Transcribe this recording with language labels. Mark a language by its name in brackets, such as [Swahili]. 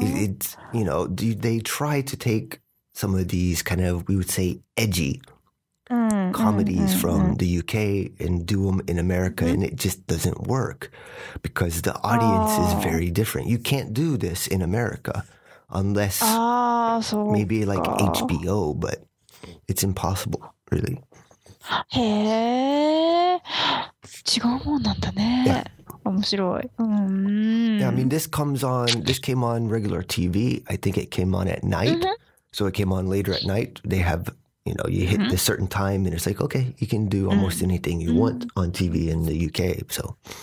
[English] It's, you know, they try to take some of these kind of, we would say, edgy comedies from the UK and do them in America, and it just doesn't work because the audience is very different. You can't do this in America unless maybe like HBO, but... It's impossible, really. [Japanese] へえ、違うもんなんだね。 [English] Yeah. [Japanese] 面白い。 [English] Yeah, I mean, this came on regular TV. I think it came on at night. So it came on later at night. They have, you know, you hit this certain time and it's like, okay, you can do almost anything you want on TV in the UK, so.